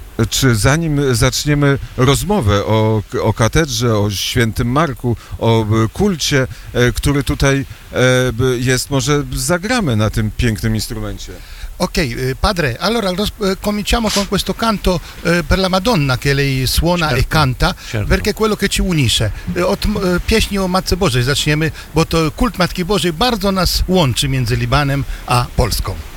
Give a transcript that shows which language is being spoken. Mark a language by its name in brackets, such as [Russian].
[Polish] Czy zanim zaczniemy rozmowę o katedrze, o świętym Marku, o kulcie, który tutaj jest, może zagramy na tym pięknym instrumencie? [Italian] Ok, padre, allora cominciamo con questo canto per la Madonna che lei suona, certo, e canta, certo, perché è quello che ci unisce. [Polish] Pieśni o Matce Bożej zaczniemy, bo to kult Matki Bożej bardzo nas łączy między Libanem a Polską.